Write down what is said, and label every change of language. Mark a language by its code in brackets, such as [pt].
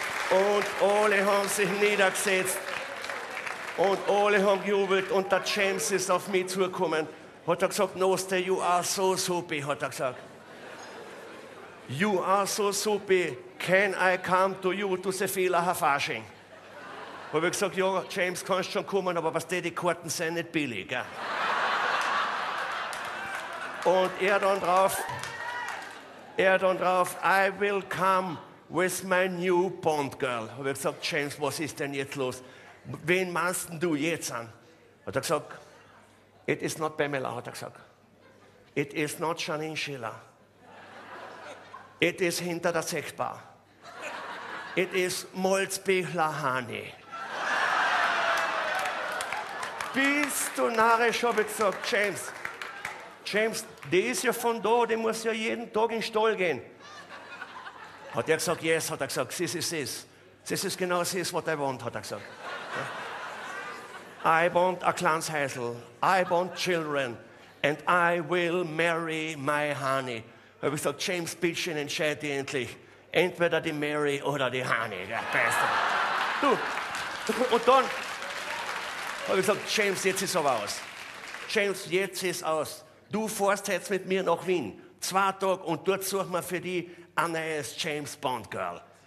[de] Und alle haben sich niedergesetzt. Und alle haben gejubelt und der James ist auf mich zugekommen. Hat er gesagt, Noste, [en] you are so supi, [de] hat er gesagt. [en] You are so supi, can I come to you to the Fehler Herr Fasching? [de] Hab ich gesagt, ja, James, kannst schon kommen, aber was die Karten sind nicht billig. Gell? Und er dann drauf, [en] I will come with my new Bond girl. [de] Hab ich gesagt, James, was ist denn jetzt los? Wen meinst du jetzt an? Hat er gesagt, [en] it is not Pamela, [de] hat er gesagt. [en] It is not Janine Schiller. It is [de] hinter der Sechbar. [en] It is Molzbichler Hani. [de] Bist du narrisch, hab ich gesagt, James, die ist ja von da, die muss ja jeden Tag in den Stall gehen. Hat er gesagt, yes, hat er gesagt, this. This is genau this, [en] what I want, [de] hat er gesagt. [en] I want a [de] kleines Häusl, [en] I want children, and I will marry my honey. [de] Da habe ich gesagt, James, bitte entscheide dich endlich. Entweder die Mary oder die Honey. Ja, besser. Du, und dann habe ich gesagt, James, jetzt ist aber aus. James, jetzt ist aus. Du fährst jetzt mit mir nach Wien. 2 Tage und dort suchen wir für dich ein neues James Bond Girl.